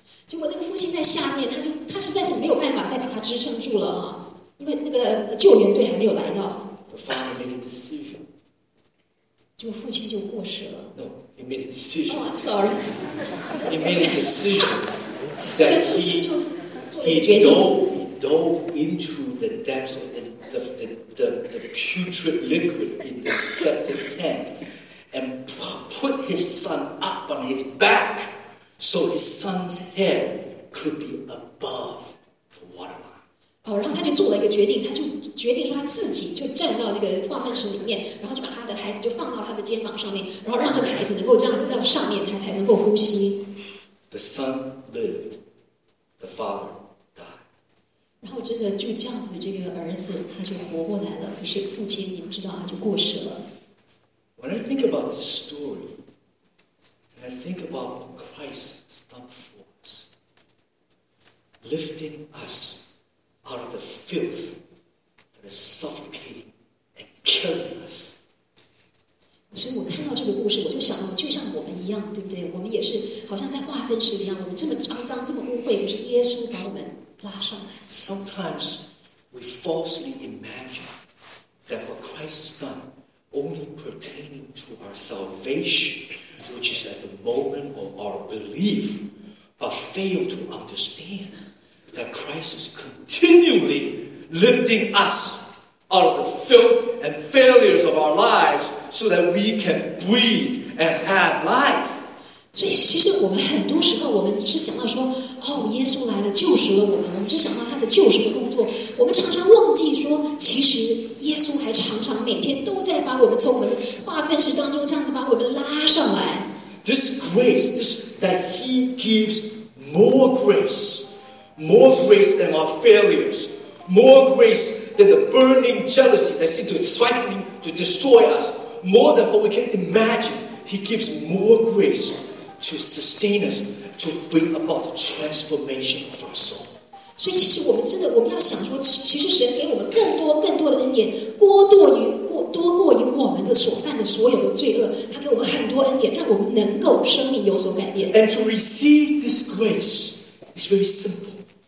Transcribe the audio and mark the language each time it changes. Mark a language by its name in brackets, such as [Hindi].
[Chinese] 结果那个父亲在下面，他实在是没有办法再把他支撑住了啊，因为那个救援队还没有来到。 [English] The father made a decision. [Chinese] 结果父亲就过世了。 [English] No, he made a decision. Oh, I'm sorry. He made a decision that he dove into the depths of the putrid liquid in the septic tank. And put his son up on his back, so his son's head could be above the water line. [Chinese] 好，然后他就做了一个决定，他就决定说他自己就站到那个化粪池里面，然后就把他的孩子就放到他的肩膀上面，然后让这个孩子能够这样子在上面，他才能够呼吸。 [English] The son lived, the father died. [Chinese] 然后真的就这样子，这个儿子他就活过来了，可是父亲你们知道他就过世了。 [English] When I think about this story, and I think about what Christ has done for us, lifting us out of the filth that is suffocating and killing us. [Chinese] 所以我看到这个故事，我就想，就像我们一样，对不对？我们也是好像在化粪池一样，我们这么肮脏，这么污秽，可是耶稣把我们拉上来。 [English] Sometimes we falsely imagine that what Christ has done. Only pertaining to our salvation, which is at the moment of our belief, but fail to understand that Christ is continually lifting us out of the filth and failures of our lives so that we can breathe and have life. [Chinese] 所以其实我们很多时候我们只是想到说哦，耶稣来了救赎了我们，我们只想到他的救赎的工作，我们常常忘记说其实耶稣还常常每天都在把我们从我们的化粪池当中这样子把我们拉上来。 [English] This grace this, that he gives more grace than our failures, more grace than the burning jealousy that seems to threaten to destroy us, more than what we can imagine. He gives more graceTo sustain us, to bring about the transformation of our soul. [Chinese] 所以其实我们真的我们要想说，其实神给我们更多更多的恩典，多过于我们的所犯的所有的罪恶，他给我们很多恩典，让我们能够生命有所改变。 [English] And to receive this grace is very simple.